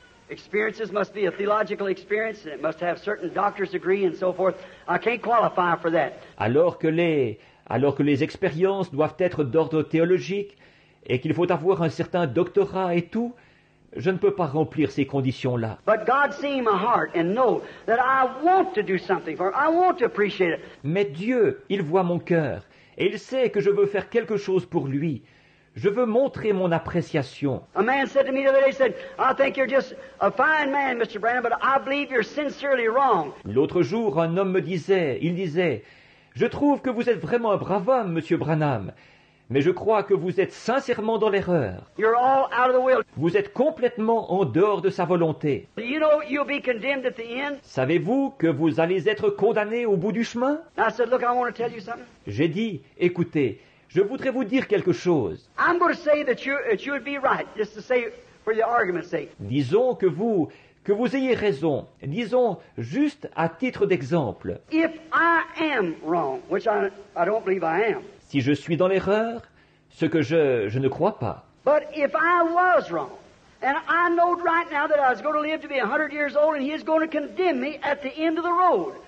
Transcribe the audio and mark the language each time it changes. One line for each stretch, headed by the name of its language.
English: Experiences must be a theological experience, and it must have certain doctor's degree and so forth. I can't qualify for that.
French: Alors que les expériences doivent être d'ordre théologique et qu'il faut avoir un certain doctorat et tout, je ne peux pas remplir ces conditions-là.
English: But God sees my heart and knows that I want to do something for it. I want to appreciate it.
French: Mais Dieu, il voit mon cœur et il sait que je veux faire quelque chose pour lui. Je veux montrer mon appréciation.
English: A man said to me the other day, he said, I think you're just a fine man, Mr. Branham, but I believe you're sincerely wrong.
French: L'autre jour, un homme me disait, il disait, je trouve que vous êtes vraiment un brave homme, Monsieur Branham, mais je crois que vous êtes sincèrement dans l'erreur.
English: You're all out of the will.
French: Vous êtes complètement en dehors de sa volonté.
English: You know you'll be condemned at the end?
French: Savez-vous que vous allez être condamné au bout du chemin?
English: I said, look, I want to tell you something.
French: J'ai dit, écoutez, je voudrais vous dire quelque chose.
English: I'm going to say that you would be right, just to say for your argument's sake.
French: Disons que vous ayez raison. Disons juste à titre d'exemple.
English: If I am wrong, which I don't believe I am.
French: Si je suis dans l'erreur, ce que je ne crois pas.
English: But if I was wrong, and I know right now that I was going to live to be 100 years old, and he is going to condemn me at the end of the road.